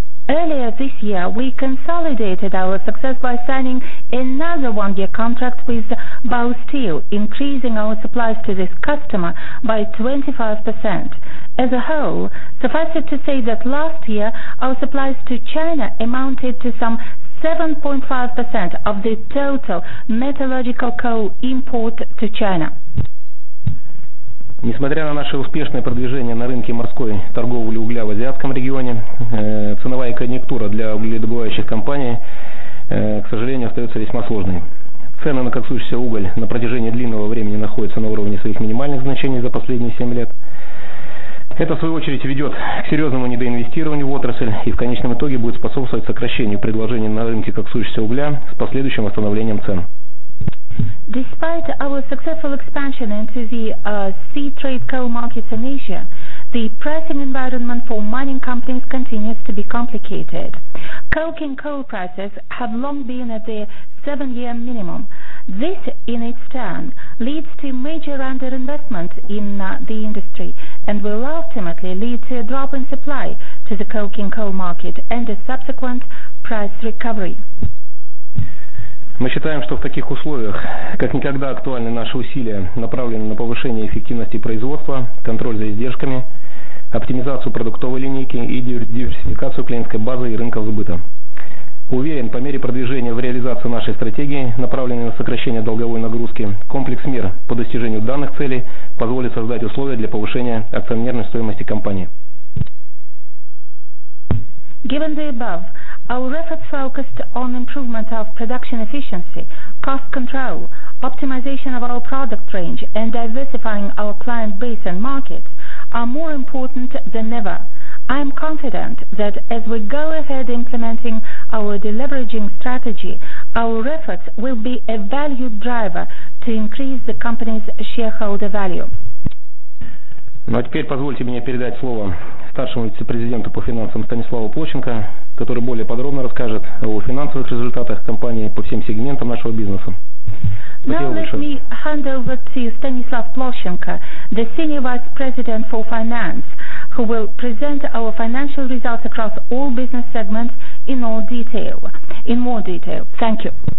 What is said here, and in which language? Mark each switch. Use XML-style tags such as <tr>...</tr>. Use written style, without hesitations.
<en>Earlier this year, we consolidated our success by signing another one-year contract with Baosteel, increasing our supplies to this customer by 25%. As a whole, suffice it to say that last year, our supplies to China amounted to some 7.5% of the total metallurgical coal import to China.</en> <ru>Несмотря на наше успешное продвижение на рынке морской торговли угля в азиатском регионе, ценовая конъюнктура для угледобывающих компаний, к сожалению, остается весьма сложной. Цены на коксующийся уголь на протяжении длинного времени находятся на уровне своих минимальных значений за последние 7 лет. Это, в свою очередь, ведет к серьезному недоинвестированию в отрасль и в конечном итоге будет способствовать сокращению предложения на рынке коксующегося угля с последующим восстановлением цен.</ru> <en>Despite our successful expansion into the sea trade coal markets in Asia, the pricing environment for mining companies continues to be complicated. Coking coal prices have long been at their 7-year minimum. This, in its turn, leads to major underinvestment in the industry and will ultimately lead to a drop in supply to the coking coal market and a subsequent price recovery.</en> <ru>Мы считаем, что в таких условиях, как никогда, актуальны наши усилия, направленные на повышение эффективности производства, контроль за издержками, оптимизацию продуктовой линейки и диверсификацию клиентской базы и рынков сбыта. Уверен, по мере продвижения в реализации нашей стратегии, направленной на сокращение долговой нагрузки, комплекс мер по достижению данных целей позволит создать условия для повышения акционерной стоимости компании.</ru> <en>Given the above, our efforts focused on improvement of production efficiency, cost control, optimization of our product range, and diversifying our client base and markets are more important than ever. I am confident that as we go ahead implementing our deleveraging strategy, our efforts will be a valued driver to increase the company's shareholder value.</en> <ru>Ну а теперь позвольте мне передать слово старшему вице-президенту по финансам Станиславу Плоченко, который более подробно расскажет о финансовых результатах компании по всем сегментам нашего бизнеса.</ru> <en>Now let me hand over to Stanislav Ploshenko, the Senior Vice President for Finance, who will present our financial results across all business segments in more detail. Thank you.</en>